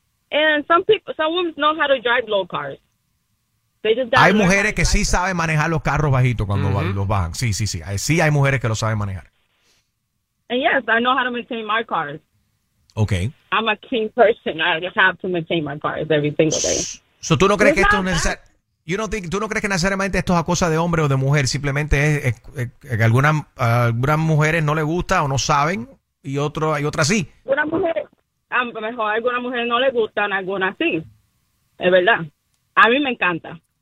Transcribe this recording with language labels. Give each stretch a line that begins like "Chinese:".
English: And some women know how to drive low cars.
Spanish: Hay mujeres que sí saben manejar los carros bajitos cuando los bajan. Sí. Sí hay mujeres que lo saben manejar.
English: And yes, I know how to maintain my cars. Okay. I'm a clean person. I just have to maintain my cars every single day.
Spanish: So, ¿tú no crees que esto es necesario? ¿Tú no crees que necesariamente esto es a cosa de hombre o de mujer? Simplemente es que algunas mujeres no les gusta o no saben y otro hay otras sí. A mí me encanta.